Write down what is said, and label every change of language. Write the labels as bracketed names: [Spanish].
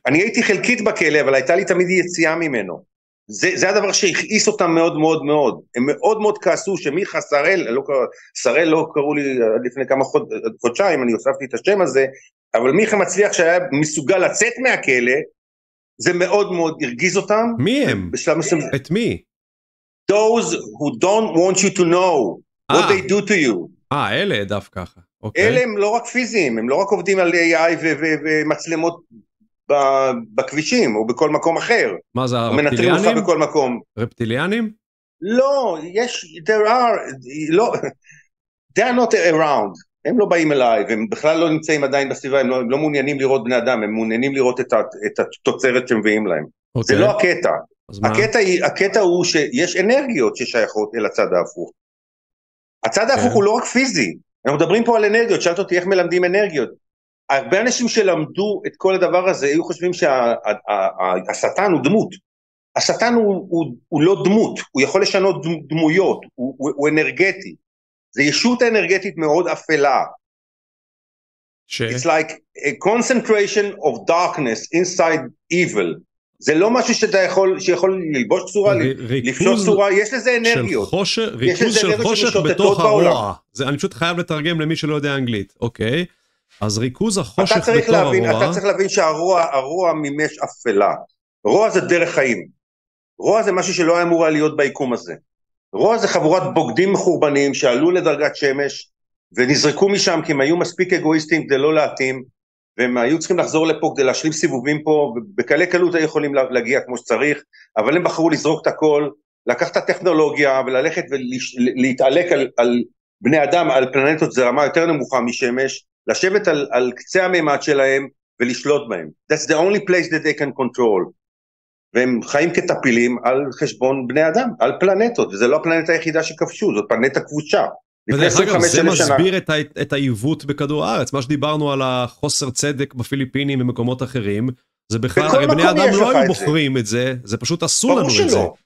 [Hebrew] אני הייתי חלקית בכלא, אבל הייתה לי תמיד יציאה ממנו. זה הדבר שהכעיס אותם מאוד מאוד מאוד. הם מאוד מאוד כעסו שמיכה שראל, שראל לא קראו לי לפני כמה חודשיים, אני הוספתי את השם הזה, אבל מיכה מצליח שהיה מסוגל לצאת מהכלא, זה מאוד מאוד הרגיז אותם. מי הם? את מי? [English] Those who don't want you to know what they do to you. [Hebrew] אלה דף ככה. אלה הם לא רק פיזיים, הם לא רק עובדים על AI ומצלמות בכבישים או בכל מקום אחר. מה זה הרפטיליאנים? בכל מקום. רפטיליאנים? [English] לא, יש, there are, לא, they are not around. [Hebrew] הם לא באים אליי, והם בכלל לא נמצאים עדיין בסביבה, הם לא מעוניינים לראות בני אדם, הם מעוניינים לראות את התוצרת שמביאים להם. זה לא הקטע. הקטע הוא שיש אנרגיות ששייכות אל הצד ההפוך. הצד ההפוך הוא לא רק פיזי. אנחנו מדברים פה על אנרגיות, שאלת אותי איך מלמדים אנרגיות. הרבה אנשים שלמדו את כל הדבר הזה, היו חושבים שהשטן הוא דמות. השטן הוא לא דמות, הוא יכול לשנות דמויות, הוא אנרגטי. זה ישות אנרגטית מאוד אפלה. [English] It's like a concentration of darkness inside evil. [Hebrew] זה לא משהו שאתה יכול, שיכול ללבוש צורה, לפשוט צורה, יש לזה אנרגיות. של חושך, ריכוז של חושך בתוך הרוע. זה, אני פשוט חייב לתרגם למי שלא יודע אנגלית, אוקיי? אז ריכוז החושך בתוך הרוע. אתה צריך להבין שהרוע, הרוע ממש אפלה. רוע זה דרך חיים. רוע זה משהו שלא היה אמורה להיות ביקום הזה. רוע זה חבורת בוגדים מחורבנים שעלו לדרגת שמש ונזרקו משם כי הם היו מספיק אגואיסטים כדי לא להתאים והם היו צריכים לחזור לפה כדי להשלים סיבובים פה ובקלי קלות היו יכולים להגיע כמו שצריך אבל הם בחרו לזרוק את הכל, לקח את הטכנולוגיה וללכת ולהתעלק על בני אדם, על פלנטות זרמה יותר נמוכה משמש, לשבת על קצה הממד שלהם ולשלוט בהם. [English] That's the only place that they can control. [Hebrew] והם חיים כטפילים על חשבון בני אדם, על פלנטות, וזה לא הפלנטה היחידה שכבשו, זאת פלנטה כבושה. ודרך אגב, זה מסביר את העיוות בכדור הארץ, מה שדיברנו על החוסר צדק בפיליפינים ובמקומות אחרים, זה בכלל, הרי בני אדם לא היו בוחרים את זה, זה פשוט עשו לנו את זה.